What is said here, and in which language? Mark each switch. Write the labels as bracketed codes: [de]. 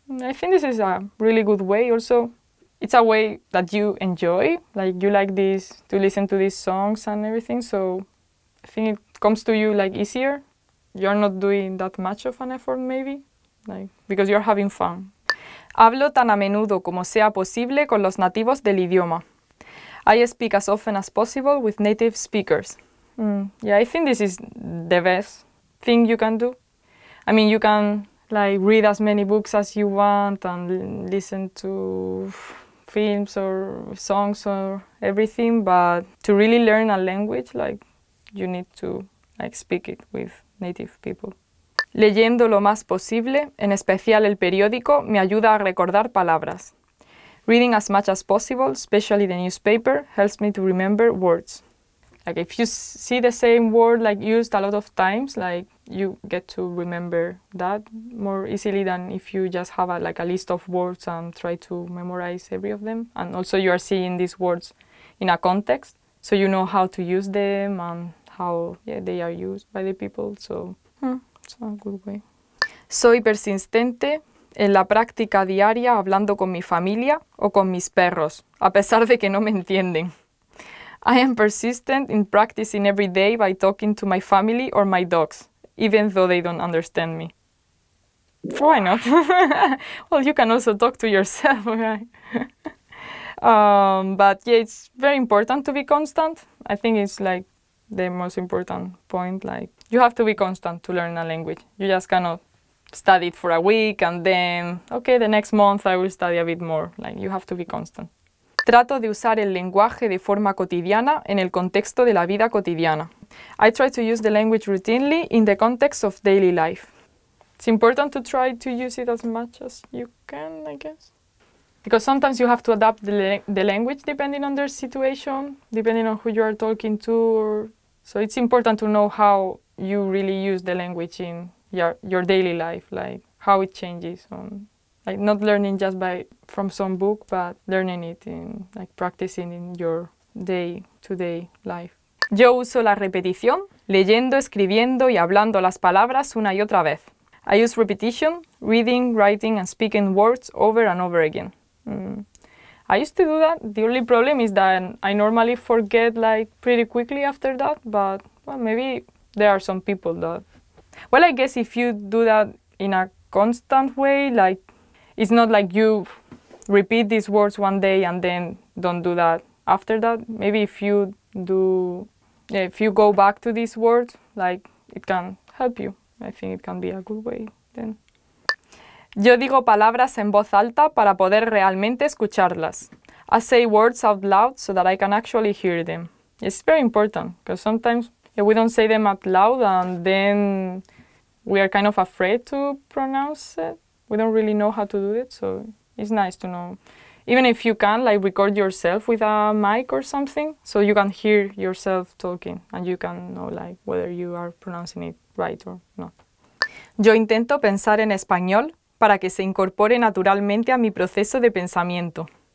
[en] I think this is a really good way also. It's a way that you enjoy, like you like this, to listen to these songs and everything, so I think it comes to you like easier. You're not doing that much of an effort maybe, like because you're having fun. [es] Hablo tan a menudo como sea posible con los nativos del idioma. [en] I speak as often as possible with native speakers. Yeah, I think this is the best thing you can do. I mean, you can like read as many books as you want and listen to films or songs or everything, but to really learn a language, like you need to like speak it with native people. [es] Leyendo lo más posible, en especial el periódico, me ayuda a recordar palabras. [en] Reading as much as possible, especially the newspaper, helps me to remember words. Like if you see the same word like used a lot of times, like you get to remember that more easily than if you just have a, like a list of words and try to memorize every of them. And also you are seeing these words in a context, so you know how to use them and how they are used by the people. So it's a good way. [es] Soy persistente en la práctica diaria hablando con mi familia o con mis perros, a pesar de que no me entienden. [en] I am persistent in practicing every day by talking to my family or my dogs, even though they don't understand me. Why not? Well, you can also talk to yourself, right? But yeah, it's very important to be constant. I think it's like the most important point. Like you have to be constant to learn a language. You just cannot study it for a week and then, okay, the next month I will study a bit more. Like you have to be constant. [es] Trato de usar el lenguaje de forma cotidiana en el contexto de la vida cotidiana. [en] I try to use the language routinely in the context of daily life. It's important to try to use it as much as you can, I guess. Because sometimes you have to adapt the language depending on their situation, depending on who you are talking to. So it's important to know how you really use the language in your daily life, like how it changes on. Like not learning just by from some book, but learning it in like practicing in your day-to-day life. [es] Yo uso la repetición, leyendo, escribiendo y hablando las palabras una y otra vez. [en] I use repetition, reading, writing and speaking words over and over again. I used to do that. The only problem is that I normally forget like pretty quickly after that, but well, maybe there are some people that... Well, I guess if you do that in a constant way, like it's not like you repeat these words one day and then don't do that after that. Maybe if you do, if you go back to these words, like it can help you. I think it can be a good way then. [es] Yo digo palabras en voz alta para poder realmente escucharlas. [en] I say words out loud so that I can actually hear them. It's very important because sometimes we don't say them out loud and then we are kind of afraid to pronounce it. We don't really know how to do it, so it's nice to know. Even if you can, like, record yourself with a mic or something, so you can hear yourself talking and you can know, like, whether you are pronouncing it right or not. [es] Yo intento pensar en español para que se incorpore naturalmente a mi proceso de pensamiento.